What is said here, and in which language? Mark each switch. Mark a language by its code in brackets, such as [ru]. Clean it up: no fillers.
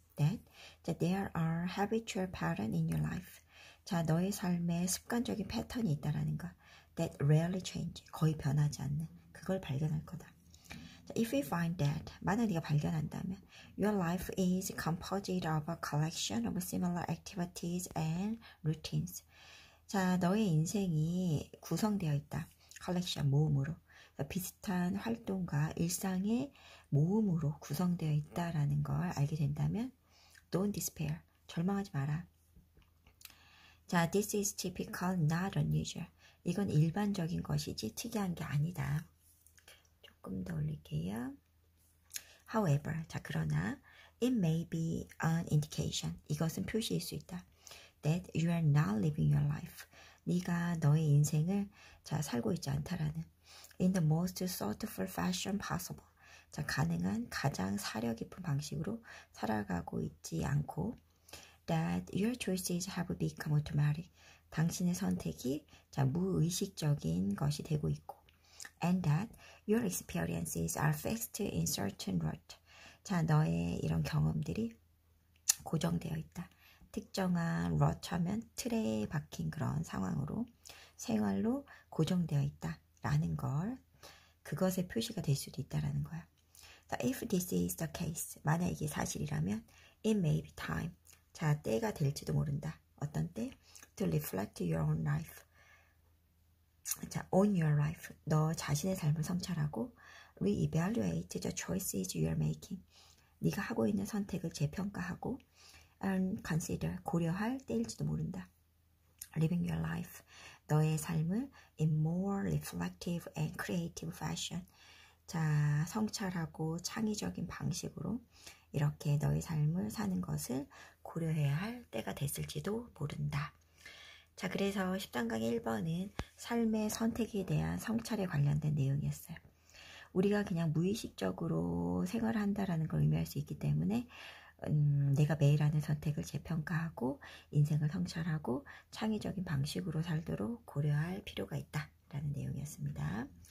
[en] That, 자, there are habitual patterns in your life. [ko] 자, 너의 삶에 습관적인 패턴이 있다라는 것. [en] That rarely change, [ko] 거의 변하지 않는. 그걸 발견할 거다. [en] 자, if you find that, [ko] 만약 네가 발견한다면, [en] your life is composed of a collection of similar activities and routines. [ko] 자, 너의 인생이 구성되어 있다. collection, 모음으로. 비슷한 활동과 일상의 모음으로 구성되어 있다라는 걸 알게 된다면 [en] don't despair, [ko] 절망하지 마라. [en] 자, this is typical, not unusual. [ko] 이건 일반적인 것이지 특이한 게 아니다. 조금 더 올릴게요. [en] However, 자, [ko] 그러나 [en] it may be an indication. 이것은 표시일 수 있다. That you are not living your life. [ko] 네가 너의 인생을 자 살고 있지 않다라는. [en] In the most thoughtful fashion possible. [ko] 자, 가능한 가장 사려 깊은 방식으로 살아가고 있지 않고. [en] That your choices have become automatic. [ko] 당신의 선택이 자 무의식적인 것이 되고 있고. [en] And that your experiences are fixed in certain rut. [ko] 자, 너의 이런 경험들이 고정되어 있다. 특정한 rut 하면 틀에 박힌 그런 상황으로 생활로 고정되어 있다. 라는 걸 그것의 표시가 될 수도 있다라는 거야. [en] So if this is the case, [ko] 만약 이게 사실이라면 [en] it may be time. [ko] 자, 때가 될지도 모른다. 어떤 때? [en] To reflect your own life. 자, on your life. [ko] 너 자신의 삶을 성찰하고 [en] re-evaluate the choices you are making. [ko] 네가 하고 있는 선택을 재평가하고 [en] and consider, [ko] 고려할 때일지도 모른다. [en] Living your life. [ko] 너의 삶을 [en] in more reflective and creative fashion. [ko] 자, 성찰하고 창의적인 방식으로 이렇게 너의 삶을 사는 것을 고려해야 할 때가 됐을지도 모른다. 자, 그래서 13강의 1번은 삶의 선택에 대한 성찰에 관련된 내용이었어요. 우리가 그냥 무의식적으로 생활한다라는 걸 의미할 수 있기 때문에 내가 매일 하는 선택을 재평가하고 인생을 성찰하고 창의적인 방식으로 살도록 고려할 필요가 있다라는 내용이었습니다.